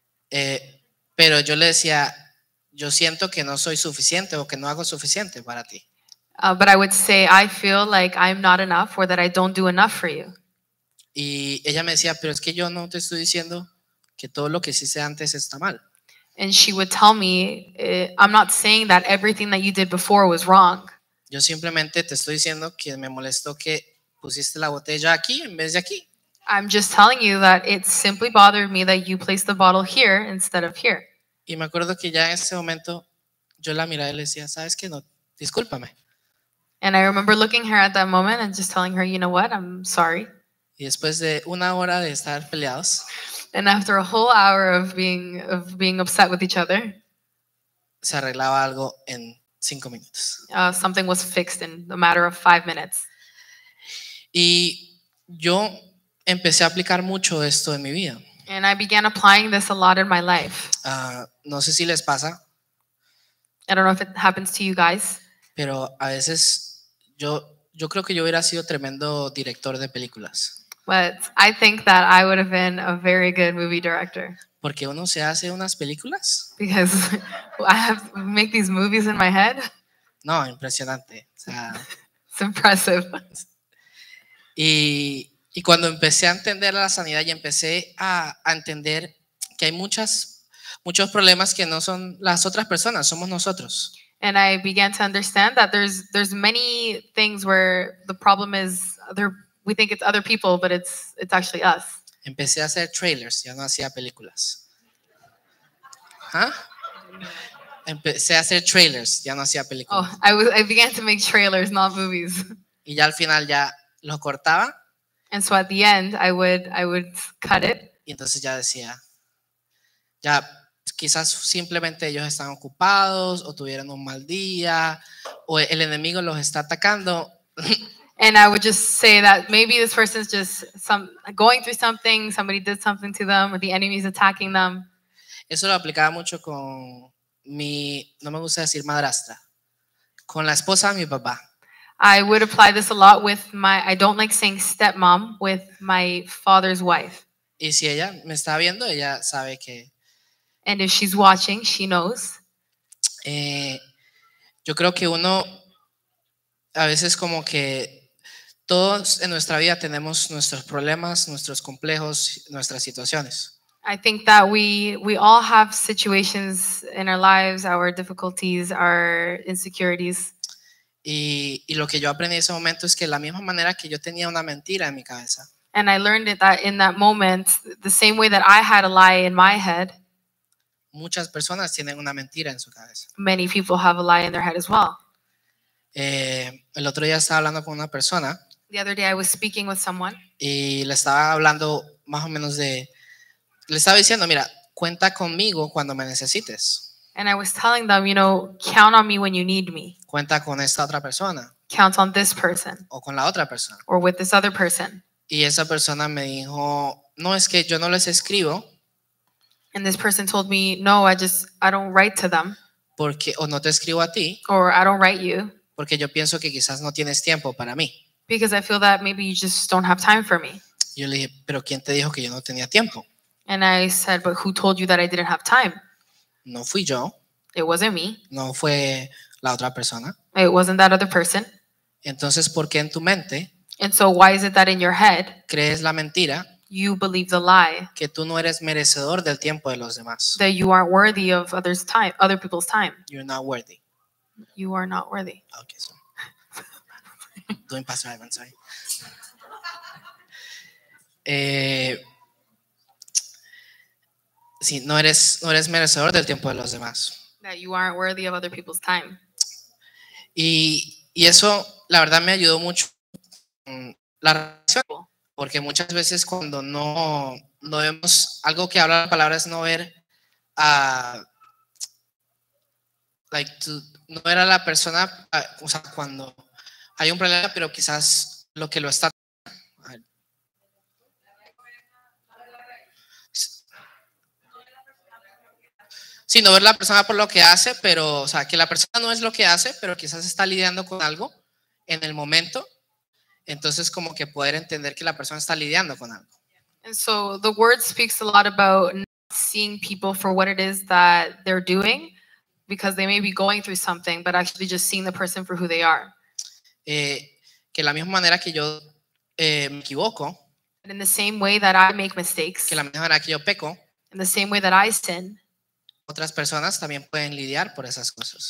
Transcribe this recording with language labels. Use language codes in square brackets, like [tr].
[es] Pero yo le decía, yo siento que no soy suficiente o que no hago suficiente para ti. [en] But I would say, I feel like I'm not enough or that I don't do enough for you. [es] Y ella me decía, pero es que yo no te estoy diciendo que todo lo que hice antes está mal. [en] And she would tell me, I'm not saying that everything that you did before was wrong. [es] Yo simplemente te estoy diciendo que me molestó que pusiste la botella aquí en vez de aquí. [en] I'm just telling you that it simply bothered me that you placed the bottle here instead of here. [es] Y me acuerdo que ya en ese momento yo la miraba y le decía, ¿sabes qué? No, discúlpame. [en] And I remember looking at her at that moment and just telling her, you know what, I'm sorry. [es] Y después de una hora de estar peleados, [en] and after a whole hour of being upset with each other, [es] se arreglaba algo en 5 minutos. [en] Something was fixed in a matter of 5 minutes. [es] Y yo empecé a aplicar mucho esto en mi vida. [en] And I began applying this a lot in my life. [es] No sé si les pasa. [en] I don't know if it happens to you guys. [es] Pero a veces yo creo que yo hubiera sido tremendo director de películas. [en] But I think that I would have been a very good movie director. [es] Porque uno se hace unas películas. [en] Because I have make these movies in my head. [es] No, impresionante. O sea, [en] it's impressive. [es] Y cuando empecé a entender la sanidad y empecé a entender que hay muchos problemas que no son las otras personas, somos nosotros. [en] And I began to understand that there's many things where the problem is other. We think it's other people, but it's actually us. [es] Empecé a hacer trailers, ya no hacía películas. ¿Huh? Empecé a hacer trailers, ya no hacía películas. [en] Oh, I began to make trailers, not movies. [es] Y ya al final ya lo cortaba. [en] And so at the end, I would cut it. [es] Y entonces ya decía, ya quizás simplemente ellos están ocupados o tuvieron un mal día o el enemigo los está atacando. [en] And I would just say that maybe this person is just going through something, somebody did something to them, or the enemy is attacking them. [es] Eso lo aplicaba mucho con mi, no me gusta decir madrastra, con la esposa de mi papá. [en] I would apply this a lot with my, I don't like saying stepmom, with my father's wife. [es] Y si ella me está viendo, ella sabe que. [en] And if she's watching, she knows. [es] Yo creo que uno, a veces como que todos en nuestra vida tenemos nuestros problemas, nuestros complejos, nuestras situaciones. [en] I think that we all have situations in our lives, our difficulties, our insecurities. [es] Y lo que yo aprendí en ese momento es que la misma manera que yo tenía una mentira en mi cabeza. [en] And I learned that in that moment, the same way that I had a lie in my head. [es] Muchas personas tienen una mentira en su cabeza. [en] Many people have a lie in their head as well. [es] El otro día estaba hablando con una persona. [en] The other day I was speaking with someone. [es] Y le estaba hablando más o menos de, le estaba diciendo, mira, cuenta conmigo cuando me necesites. [en] And I was telling them, you know, count on me when you need me. [es] Cuenta con esta otra persona. [en] Count on this person. [es] O con la otra persona. [en] Or with this other person. [es] Y esa persona me dijo, no, es que yo no les escribo. [en] And this person told me, no, I don't write to them. [es] Porque, o no te escribo a ti. [en] Or I don't write you. [es] Porque yo pienso que quizás no tienes tiempo para mí. [en] Because I feel that maybe you just don't have time for me. [es] Yo le dije, pero ¿quién te dijo que yo no tenía tiempo? [en] And I said, but who told you that I didn't have time? [es] No fui yo. [en] It wasn't me. [es] No fue la otra persona. [en] It wasn't that other person. [es] Entonces, ¿por qué en tu mente? [en] And so why is it that in your head? [es] Crees la mentira. [en] You believe the lie. [es] Que tú no eres merecedor del tiempo de los demás. [en] That you aren't worthy of others' time, other people's time. You're not worthy. You are not worthy. Okay, so. Doing Pastor Ivan, sorry. [es] Sí, no eres merecedor del tiempo de los demás. [en] That you aren't worthy of other people's time. [es] Y eso, la verdad, me ayudó mucho la relación. Porque muchas veces cuando no vemos, algo que habla la palabra es no ver a no ver a la persona, o sea, cuando hay un problema, pero quizás lo que lo está. Sí, no ver la persona por lo que hace, pero, o sea, que la persona no es lo que hace, pero quizás está lidiando con algo en el momento. Entonces, como que poder entender que la persona está lidiando con algo. [en] And so, the word speaks a lot about not seeing people for what it is that they're doing, because they may be going through something, but actually just seeing the person for who they are. [es] Que la misma manera que yo me equivoco. [en] And in the same way that I make mistakes. [es] Que la misma manera que yo peco. [en] In the same way that I sin. [es] Otras personas también pueden lidiar por esas cosas.